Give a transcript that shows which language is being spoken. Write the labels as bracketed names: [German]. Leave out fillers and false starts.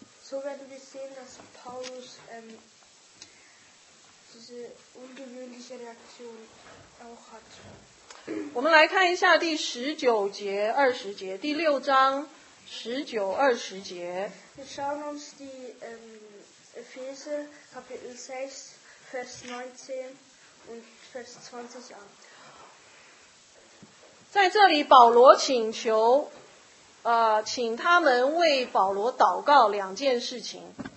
[German] So werden wir sehen, dass Paulus diese ungewöhnliche Reaktion auch hat. [Chinese] 我们来看一下第十九节、二十节，第六章十九、二十节。 [German] Wir schauen uns die Epheser Kapitel 6, Vers 19 und Vers 20 an. [Chinese] 在这里，保罗请求。请他们为保罗祷告两件事情。